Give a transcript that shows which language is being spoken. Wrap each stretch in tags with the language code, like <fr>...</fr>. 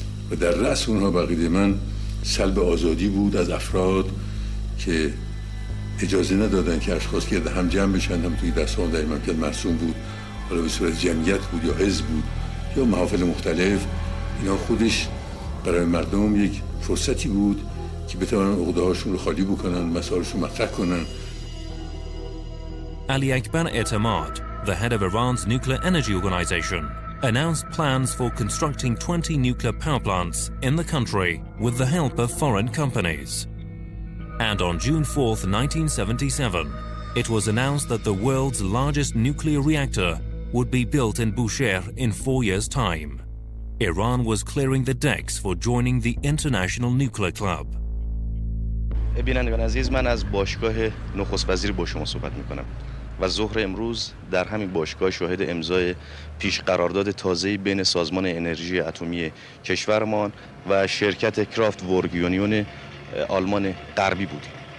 <fa>و در رأس اونها بقیده من سلب آزادی بود از افراد که اجازه ندادن که اشخاص که هم جمع بشن هم توی دست ها در این مرکز مرسوم بود، حالا به صورت جمعیت بود یا حزب بود یا محافل مختلف، اینا خودش برای مردم یک فرصتی بود که بتوانن عقده هاشون رو خالی بکنن، مسائلشون مطرح کنن.</fa> <en>علی اکبر اعتماد، the head of Iran's nuclear energy organization, announced plans for constructing 20 nuclear power plants in the country with the help of foreign companies. And on June 4, 1977, it was announced that the world's largest nuclear reactor would be built in Bushehr in 4 years' time. Iran was clearing the decks for joining the International Nuclear Club.</en> <fa>بینندگان عزیز، من از باشگاه نخست وزیر با شما صحبت میکنم و ظهر امروز در همین باشگاه شاهد امضای پیش قرارداد تازه‌ای بین سازمان انرژی اتمی کشورمان و شرکت کرافت ورگ یونیون آلمان غربی بودیم.</fa>